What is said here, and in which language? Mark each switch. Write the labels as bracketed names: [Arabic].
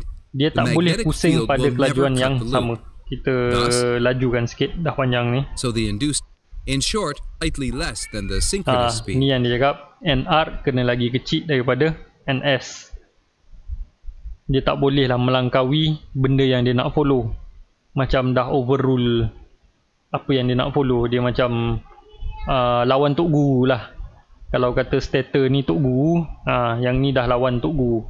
[Malay] Dia tak boleh pusing pada kelajuan yang sama. Kita lajukan sikit, dah panjang ni. [English] So the induced, in short, slightly less than the synchronous speed. [Malay] Ni yang dia cakap, NR kena lagi kecil daripada NS. Dia tak boleh lah melangkaui benda yang dia nak follow. Macam dah overrule apa yang dia nak follow. Dia macam lawan tok guru lah. Kalau kata stator ni tok guru, yang ni dah lawan tok guru.